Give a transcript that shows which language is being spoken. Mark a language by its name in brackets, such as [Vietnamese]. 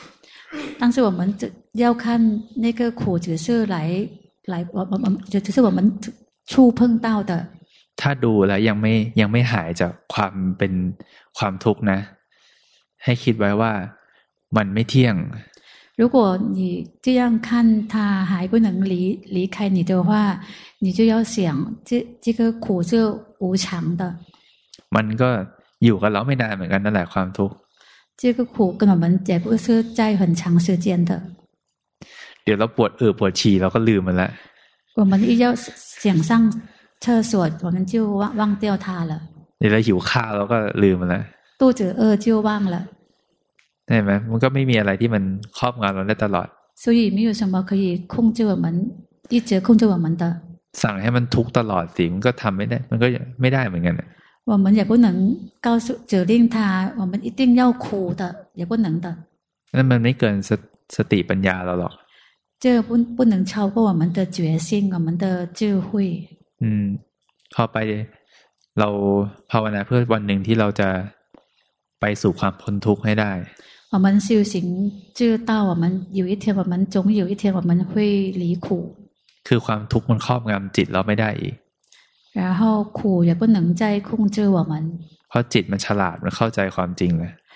[Thai] ๆตั้งแต่ว่ามันจะแยกขั้นนี่ก็ขู่ถือเสื้อไหลว่ามันจะถือเสื้อว่ามันชู่เพิ่งเต้าแต่ถ้าดูแล้วยังไม่หายจากความเป็นความทุกข์นะให้คิดไว้ว่ามันไม่เที่ยง [Chinese] 如果你这样看他还不能离开你的话你就要想这个苦是无常的 [Thai] มันก็อยู่กับเราไม่นานเหมือนกันนั่นแหละความทุกข์ [Chinese] 这个苦跟我们也不是在很长时间的 [Thai] เดี๋ยวเราปวดปวดฉี่เราก็ลืมมันละ [Chinese] 我们一要想上厕所我们就忘掉它了 [Thai] เดี๋ยวเราหิวข้าวเราก็ลืมมันละ [Chinese] 肚子饿就忘了 [Thai] ใช่ไหมมันก็ไม่มีอะไรที่มันครอบงำเราได้ตลอด [Chinese] 所以没有什么可以控制我们一直控制我们的 [Thai] สั่งให้มันทุกข์ตลอดสิมันก็ทำไม่ได้มันก็ไม่ได้เหมือนกัน [Chinese] 我们也不能告诉指令他我们一定要苦的也不能的 [Thai] นั่นมันไม่เกิน สติปัญญาเราหรอก [Chinese] 这不能超过我们的决心我们的智慧 [Thai] พอไปเราภาวนาเพื่อวันหนึ่งที่เราจะไปสู่ความพ้นทุกข์ให้ได้ [Chinese] 我们修行知道我们有一天我们总有一天我们会离苦 [Thai] คือความทุกข์มันครอบงำจิตเราไม่ได้อีก [Chinese] 然后苦也不能再控制我们 [Thai] เพราะจิตมันฉลาดมันเข้าใจความจริงเลย